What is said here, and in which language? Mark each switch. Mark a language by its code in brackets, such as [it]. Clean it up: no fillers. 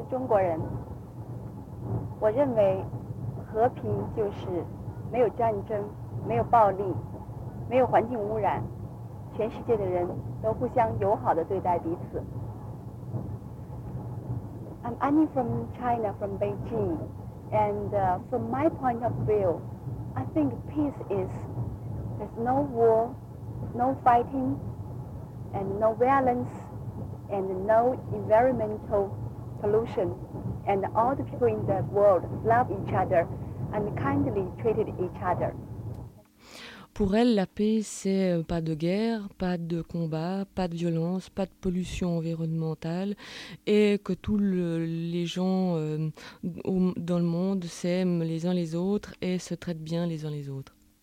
[fr] Je vis à Pékin, je suis chinoise. Je pense que la paix, c'est [zh] 没有战争，没有暴力，没有环境污染，全世界的人都互相友好地对待彼此。 [en] I'm Annie from China, from Beijing, and from my point of view, I think peace is there's no war, no fighting, and no violence, and no environmental pollution, and all the people in the world love each other. And kindly treated each other. [fr] Pour elle, la paix, c'est pas de guerre, pas de combat, pas de violence, pas de pollution environnementale, et que tous les gens dans le monde s'aiment les uns les autres et se traitent bien les uns les autres.